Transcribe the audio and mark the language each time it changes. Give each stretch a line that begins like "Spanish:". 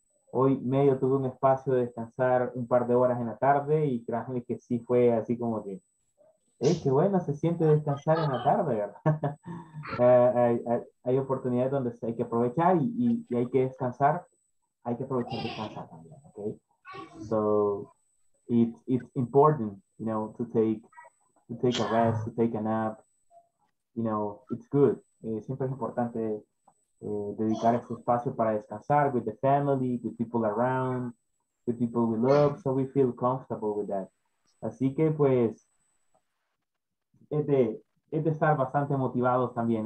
Spanish: Hoy medio tuve un espacio de descansar un par de horas en la tarde y créanme que sí fue así como que, ¡hey, qué bueno! Se siente descansar en la tarde, ¿verdad? hay oportunidades donde hay que aprovechar y hay que descansar. Hay que aprovechar de casa también, ¿ok?
English: So, it's important, you know, to take a rest, to take a nap, you know, it's good.
Spanish: Siempre es importante dedicar este espacio para descansar
English: with the family, with people around, with people we love, so we feel comfortable with that.
Spanish: Así que, pues, es de estar bastante motivados también.